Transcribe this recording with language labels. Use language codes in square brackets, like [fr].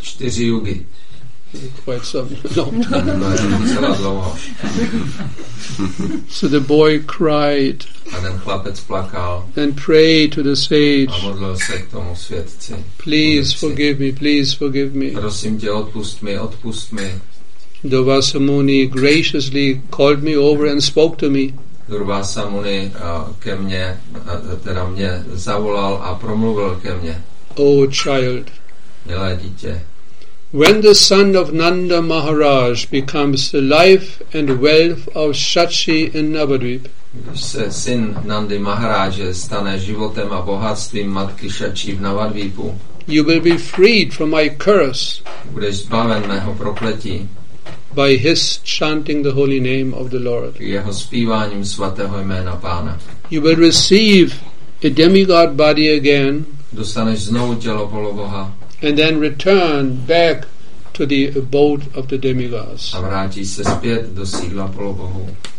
[cs] Čtyři jugy. [en] Quite some. No. [cs] Celá dlouho. [en] So the boy cried. [cs] A ten chlapec plakal. [en] And prayed to the sage. [cs] A modlil se k tomu světci. [en] Please forgive me. Please forgive me. [cs] Prosím tě, odpust mi. Odpust mi. [en] Durvasa Muni graciously called me over and spoke to me. [cs] Durvasa Muni ke mně, teda mě zavolal a promluvil ke mně. [en] O child, [cs] milé dítě, [en] when the son of Nanda Maharaj becomes the life and wealth of Shachi in Navadvip, [cs] když se syn Nandy Maharaje stane životem a bohatstvím matky Shachi v Navadvipu, [en] you will be freed from my curse. [cs] Budeš zbaven mého prokletí. [en] By his chanting the holy name of the Lord. [cs] Jeho zpíváním svatého jména Pána. [en] You will receive a demigod body again. [cs] Dostaneš znovu tělo poloboha. [en] And then return back to the abode of the demigods. [cs] A vrátí se zpět do sídla polobohů.